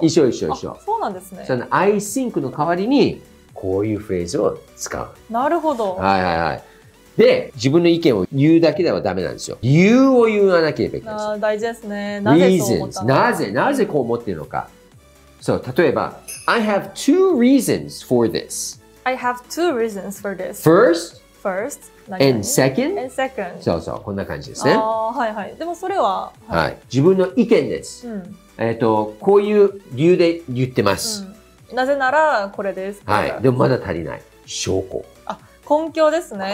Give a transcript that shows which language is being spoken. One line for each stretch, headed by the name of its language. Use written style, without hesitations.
Japanese: 一緒一緒一緒。そうなんですね。その
English: I think
Japanese: の代わりにこういうフレーズを使う。なるほど。はいはいはい。で、自分の意見を言うだけではダメなんですよ。理由を言わなければいけないです。あ、大事ですね。なぜそう思ったのか。なぜこう思っているのか。そう、例えば、
English: I have two reasons for this. I have two reasons for this. First,
Japanese: 何々?
English: and second. And second.
Japanese: そうそう、こんな感じですね。ああ、はいはい。でもそれは、はい、はい。自分の意見です。うん、こういう理由で言ってます。うん、なぜなら、これです。はい。でもまだ足りない。証拠。あ、根拠ですね。